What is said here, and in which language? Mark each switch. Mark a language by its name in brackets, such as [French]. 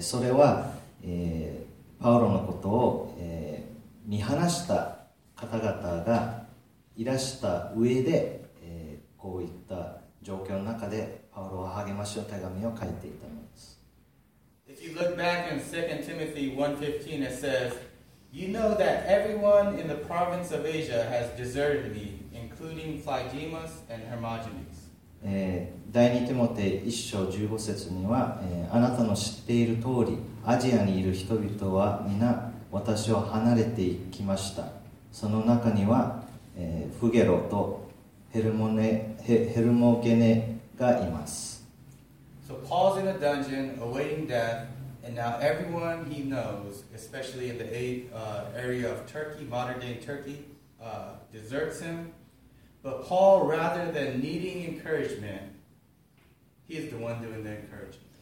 [Japanese] それは、パウロのことを、見放した方々がいらした上で、こういった状況の中でパウロは励ましの手紙を書いていたのです。 [English] If you look back in 2 Timothy 1:15, it says, You know that everyone in the province of Asia has deserted me, including Phygemus and Hermogenes. [Japanese] 第2テモテ1章15節には、あなたの知っている通り、アジアにいる人々は皆私を離れていきました。その中には、フゲロとヘルモゲネがいます。 [English] So Paul's in a dungeon awaiting death, and now everyone he knows, especially in the area of Turkey, modern day Turkey, deserts him. But Paul, rather than needing encouragement, he is the one doing the encouragement